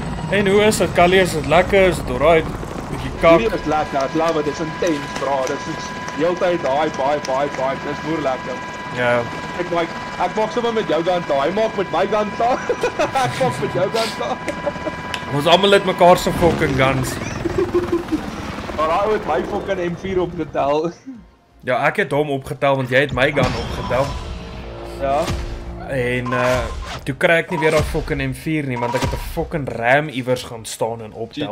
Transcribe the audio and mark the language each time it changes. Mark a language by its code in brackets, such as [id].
[nl] En hoe is het, Kali? Is het lekker? Is het alright? Met je kak? Hier is lekker. Ik love it. Dit is intense, bro. Dit is de hele tijd high, high, high, high. Dit is moeilijk lekker. Ja. Ik like... [af] Ek maak sommer met jou gun saam. Hy maak met my gun saam. Ek maak met jou gun saam. Ons almal het mekaar se fucking guns. Maar hy het my fucking M4 opgetel. Ja, ek het hom opgetel want jy het my gun opgetel. Ja. En toe kry ek nie weer daai fucking M4 nie want ek het 'n fucking ram iewers gaan staan en optel.